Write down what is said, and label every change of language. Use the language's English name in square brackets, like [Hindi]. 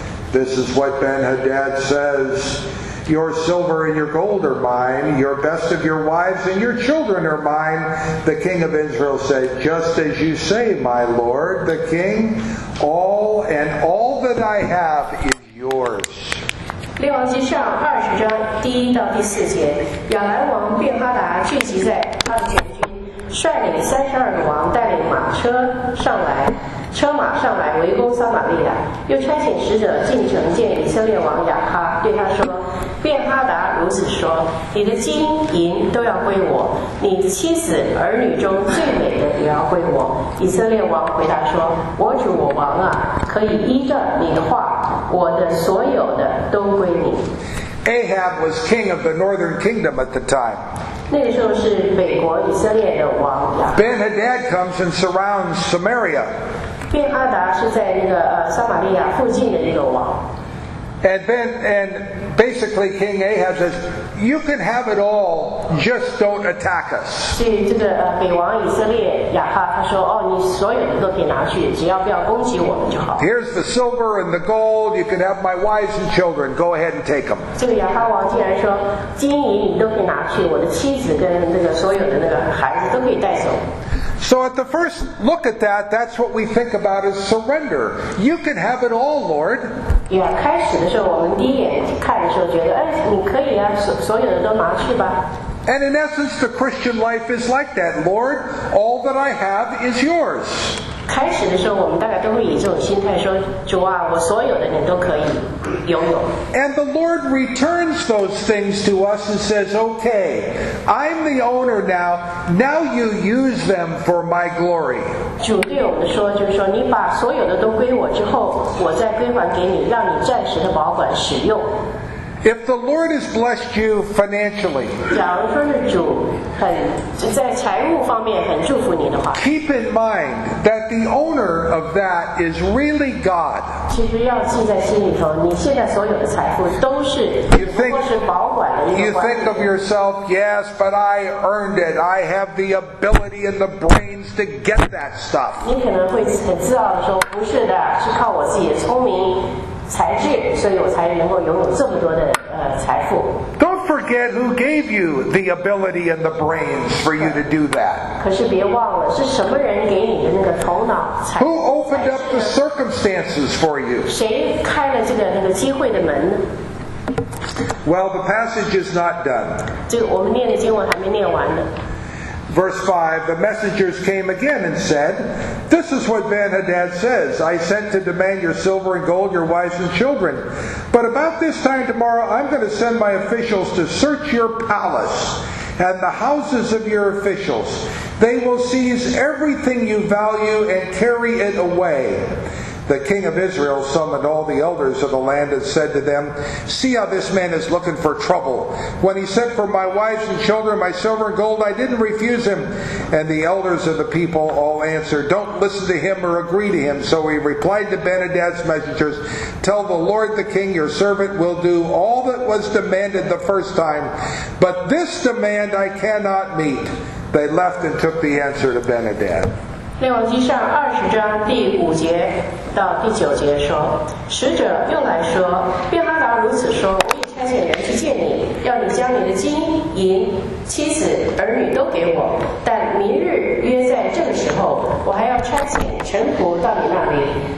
[English] This is what Ben-Hadad says. Your silver and your gold are mine. Your best of your wives and your children are mine. The king of Israel said, Just as you say, my lord, the king, all and all that I have is yours. [Chinese] 列王记上二十章第一到第四节，亚兰王便哈达聚集在他的全军，率领32个王带领马车上来。车马上来围攻撒玛利亚，又差遣使者进城见以色列王雅哈，对他说：“便哈达如此说，你的金银都要归我，你的妻子儿女中最美的也要归我。” 以色列王回答说：“我主我王啊，可以依着你的话，我的所有的都归你。” [English] Ahab was king of the northern kingdom at the time. [Chinese] 那个时候是美国以色列的王雅。 [English] Ben-Hadad comes and surrounds Samaria. [Chinese] 便哈达是在那个撒玛利亚附近的那个王。 [English] And basically King Ahab says, you can have it all, just don't attack us. [Chinese] 所以这个北王以色列雅哈他说哦，你所有的都可以拿去，只要不要攻击我们就好。 [English] Here's the silver and the gold, you can have my wives and children, go ahead and take them. [Chinese] 这个雅哈王竟然说金银你都可以拿去，我的妻子跟那个所有的那个孩子都可以带走。 [English] So at the first look at that, that's what we think about as surrender. You can have it all, Lord. [Chinese] Yeah, 开始的时候我们第一眼看的时候觉得，哎，你可以啊，所有的都拿去吧。 [English] And in essence, the Christian life is like that. Lord, all that I have is yours. [Chinese] 开始的时候我们大概都会以这种心态说主啊我所有的你都可以拥有 [English] And the Lord returns those things to us and says okay I'm the owner now now you use them for my glory [Chinese] 主对我们说就是说你把所有的都归我之后我再归还给你让你暂时的保管使用 [English] If the Lord has blessed you financially, [Chinese] 假如说是主很在财务方面很祝福你的话 [English] keep in mind that the owner of that is really God. [Chinese] 其实要记在心里头，你现在所有的财富都是 [English] you think, [Chinese] 不过是保管的一个管理。 [English] You think of yourself, yes, but I earned it. I have the ability and the brains to get that stuff. [Chinese] 你可能会很自傲地说，不是的，是靠我自己的聪明。才智，所以我才能够拥有这么多的财富。 [English] Don't forget who gave you the ability and the brains for you to do that. [Chinese] 可是别忘了，是什么人给你的那个头脑才智 [English] Who opened up the circumstances for you? [Chinese] 谁开了这个那个机会的门呢？ [English] Well, the passage is not done. [Chinese] 这个我们念的经文还没念完呢。 [English] Verse 5, the messengers came again and said, This is what Ben-Hadad says, I sent to demand your silver and gold, your wives and children. But about this time tomorrow, I'm going to send my officials to search your palace and the houses of your officials. They will seize everything you value and carry it away. The king of Israel summoned all the elders of the land and said to them, See how this man is looking for trouble. When he sent for my wives and children, my silver and gold, I didn't refuse him. And the elders of the people all answered, Don't listen to him or agree to him. So he replied to Ben-Hadad's messengers, Tell the Lord the king, your servant will do all that was demanded the first time. But this demand I cannot meet. They left and took the answer to Ben-Hadad. [Chinese] 列王记上二十章第五节到第九节说使者又来说便哈达如此说我已差遣人去见你要你将你的金银妻子儿女都给我但明日约在这个时候我还要差遣臣仆到你那里